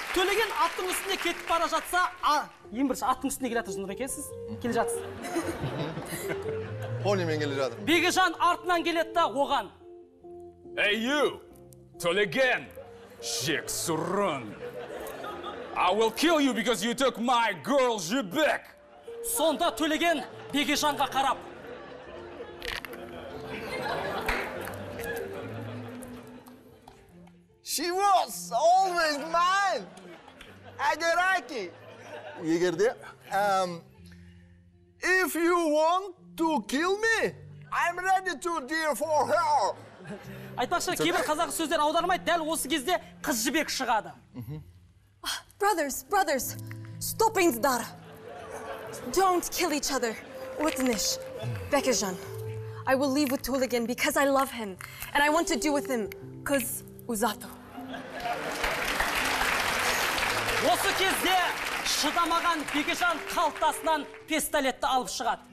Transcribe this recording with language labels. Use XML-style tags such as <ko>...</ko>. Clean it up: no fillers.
<kk>Төлеген аттың үстінде кетіп бара жатса, ең бірінші аттың үстінде келе жатырсыз, Нұрекен сіз. Келе жатырсыз. Понимен келе жатырмын. Бекежан артынан келеді да оған.</kk> <en>Hey you, Төлеген, жек сұрын. I will kill you because you took my girl Жібек.</en> <kk>Сонда Төлеген Бекежанға қарап.</kk> <en>She was always mine. Agaraki.</en> <kk>Егер де,</kk> <en>if you want to kill me, I'm ready to die for her.</en> <kk>Айтпақшы, кейбір қазақ сөздер аудармайды, дәл осы кезде Қыз Жібек шығады.</kk> <en>Brothers, brothers, stopыңыздар. Don't kill each other.</en> <kk>Өтініш,</kk> <en>Бекежан. I will leave with Төлеген because I love him. And I want to do with him Қыз Узату.</en> <kk>Осы кезде шыдамаған Бекежан қалтасынан пистолетті алып шығады.</kk>